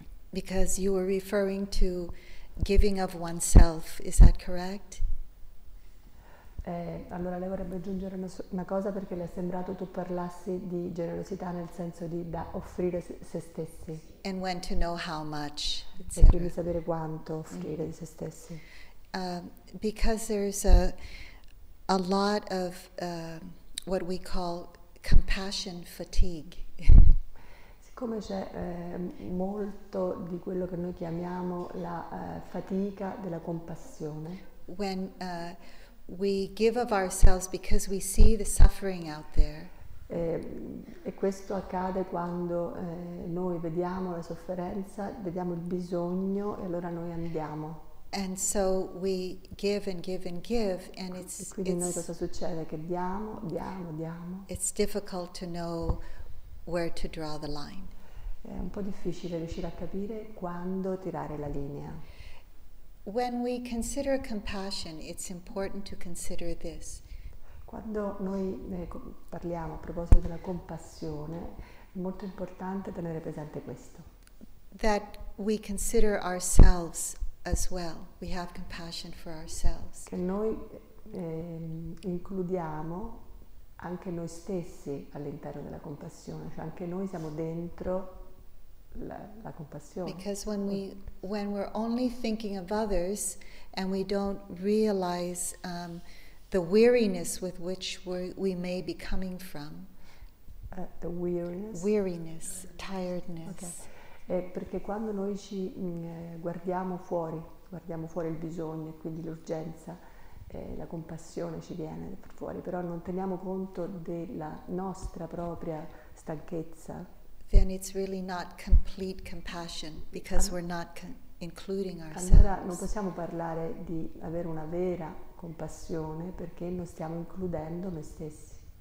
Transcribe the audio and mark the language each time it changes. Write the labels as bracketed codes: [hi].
[en] Because you were referring to giving of oneself, is that correct? [it] Allora lei vorrebbe aggiungere una cosa perché le è sembrato tu parlassi di generosità nel senso di da offrire se stessi. [en] And when to know how much. [it] E quindi sapere quanto offrire di se stessi. [en] Because there's a lot of what we call compassion fatigue. [it] Siccome c'è molto di quello che noi chiamiamo la fatica della compassione. [en] When we give of ourselves because we see the suffering out there. [it] E questo accade quando noi vediamo la sofferenza, vediamo il bisogno e allora noi andiamo. [en] And so we give and give and give, and it's. [it] E quindi noi cosa succede? Che diamo, diamo, diamo. [en] It's difficult to know where to draw the line. [it] È un po' difficile riuscire a capire quando tirare la linea. [en] When we consider compassion, it's important to consider this. [it] Quando noi parliamo a proposito della compassione, è molto importante tenere presente questo. [en] That we consider ourselves as well. We have compassion for ourselves. [it] Che noi includiamo anche noi stessi all'interno della compassione, cioè anche noi siamo dentro la compassione. [en] Because when we're only thinking of others and we don't realize the weariness with which we may be coming from. The weariness. Weariness, tiredness. Okay. [it] È perché quando noi ci guardiamo fuori il bisogno e quindi l'urgenza, la compassione ci viene fuori, però non teniamo conto della nostra propria stanchezza. [en] Then it's really not complete compassion because we're not including ourselves. [it] Allora non possiamo parlare di avere una vera compassione perché non stiamo includendo noi stessi.